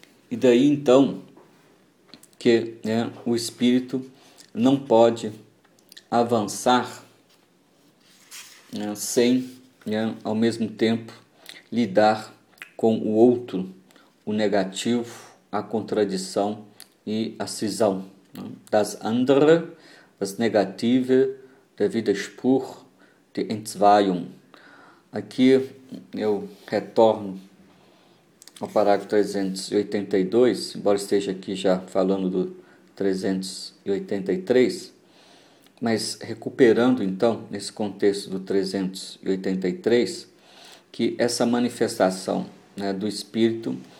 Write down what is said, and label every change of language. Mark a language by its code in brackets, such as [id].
[pt] E daí, então, que o espírito não pode avançar sem, ao mesmo tempo, lidar com o outro, o negativo, a contradição e a cisão. [de] Das andere, das negative, der Widerspruch, die Entzweiung. [pt] Aqui eu retorno ao parágrafo 382, embora esteja aqui já falando do 383, mas recuperando então, nesse contexto do 383, que essa manifestação, né, do espírito